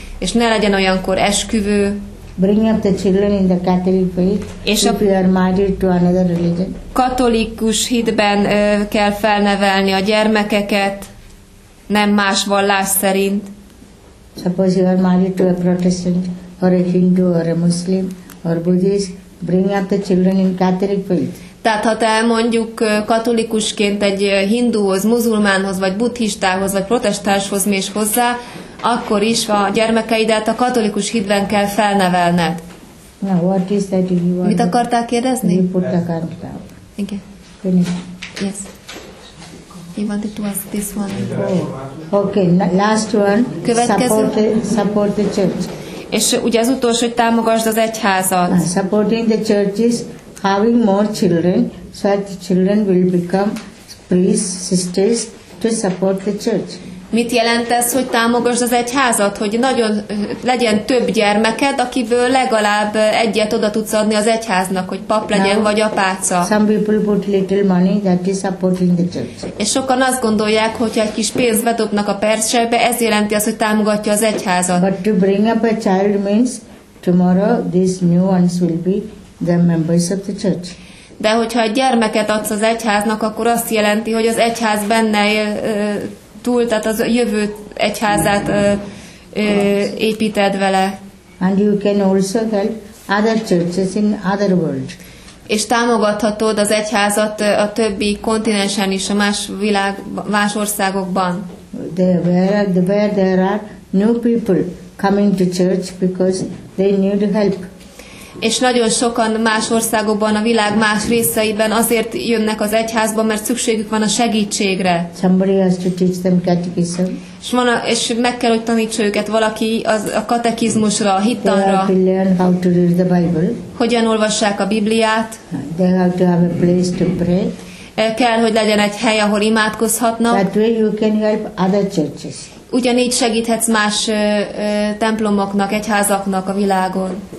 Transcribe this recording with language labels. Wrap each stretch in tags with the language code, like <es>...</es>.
<hu>És ne legyen olyankor esküvő.</hu> <en>Bring up the children in the Catholic faith.</en> <hu>És</hu> <en>if you are married to another religion.</en> <hu>Katolikus hitben kell felnevelni a gyermekeket, nem más vallás szerint.</hu> <en>Suppose you are married to a Protestant or a Hindu or a Muslim or Buddhist, bring up the children in Catholic faith.</en> <hu>Tehát ha te mondjuk katolikusként egy hindúhoz, muzulmánhoz, vagy buddhistához, vagy protestánshoz mész hozzá, akkor is a gyermekeidet a katolikus hitben kell felnevelned.</hu> <en>Now, what is that you want?</en> <hu>Mit akartál kérdezni?</hu> <en>You put the card down.</en> <hu>Igen.</hu> <en>Yes. He wanted to ask this one. Okay, last one.</en> <hu>Következő.</hu> <en>Support the church.</en> <hu>És ugye az utolsó, hogy támogasd az egyházat.</hu> <en>Supporting the church is having more children, so that the children will become priests, sisters to support the church.</en> <hu>Mit jelent ez, hogy támogasd az egyházat? Hogy nagyon legyen több gyermeked, akiből legalább egyet oda tudsz adni az egyháznak, hogy pap legyen,</hu> <en>now,</en> <hu>vagy apáca.</hu> <en>Some people put little money that is supporting the church.</en> <hu>És sokan azt gondolják, hogyha egy kis pénzt bedobnak a percsebe, ez jelenti azt, hogy támogatja az egyházat.</hu> <en>But to bring up a child means tomorrow these new ones will be the members of the church.</en> <hu>De hogyha egy gyermeket adsz az egyháznak, akkor azt jelenti, hogy az egyház benne él, túl, tehát az jövő egyházát építed vele.</hu> <en>And you can also help other churches in other world.</en> <hu>És támogathatod az egyházat a többi kontinensen is, a más világ, más országokban.</hu> <en>Where there are new people coming to church because they need help.</en> <hu>És nagyon sokan más országokban, a világ más részeiben azért jönnek az egyházba, mert szükségük van a segítségre.</hu> <en>Somebody has to teach them catechism.</en> <hu>És meg kell, hogy taníts őket valaki az, a katekizmusra, a hittanra.</hu> <en>They have to learn how to read the Bible.</en> <hu>Hogyan olvassák a Bibliát.</hu> <en>They have to have a place to pray.</en> <hu>Kell, hogy legyen egy hely, ahol imádkozhatnak.</hu> <en>That way you can help other churches.</en> <hu>Ugyanígy segíthetsz más templomoknak, egyházaknak a világon.</hu>